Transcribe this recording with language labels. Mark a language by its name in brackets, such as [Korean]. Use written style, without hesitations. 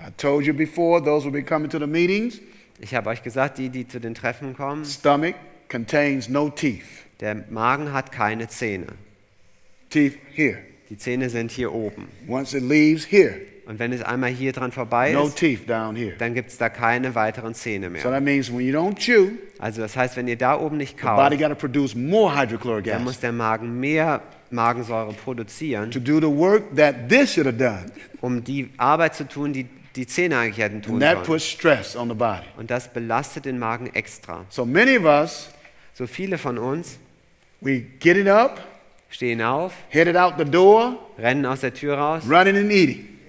[English] I told you before, those will be coming to the meetings. [German] Ich habe euch gesagt, die zu den Treffen kommen. [English] Stomach contains no teeth. [German] Der Magen hat keine Zähne. [English] Teeth here. [German] Die Zähne sind hier oben. [English] Once it leaves here. [German] Und wenn es einmal hier dran vorbei ist, [English] no teeth down here. [German] Dann gibt es da keine weiteren Zähne mehr. [English] So that means when you don't chew, [German] also das heißt, wenn ihr da oben nicht kaut, [English] the body gotta produce more hydrochloric acid. [German] Dann muss der Magen mehr Magensäure produzieren, [English] to do the work that this should have done. [German] Um die Arbeit zu tun, die Zähne eigentlich hätten tun sollen. [English] And that puts stress on the body. [German] Und das belastet den Magen extra. [English] So many of us, [German] so viele von uns, [English] we get it up, [German] stehen auf, [English] headed out the door, [German] rennen aus der Tür raus, [English] running and eating.